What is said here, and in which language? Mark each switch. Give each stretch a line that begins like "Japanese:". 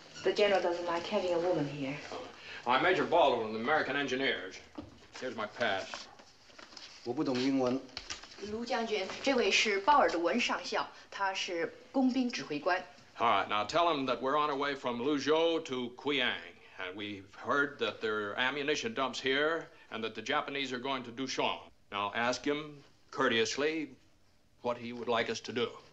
English: The general doesn't like having a woman here. I'm Major Baldwin, the American Engineers. Here's my pass.
Chinese: 我不懂英文。卢将军，这位是鲍尔德文上校，他是工兵指挥官。
English: All right, now tell him that we're on our way from Luzhou to Kuyang, and we've heard that there are ammunition dumps here, and that the Japanese are going to Dushan. Now ask him courteously what he would like us to do.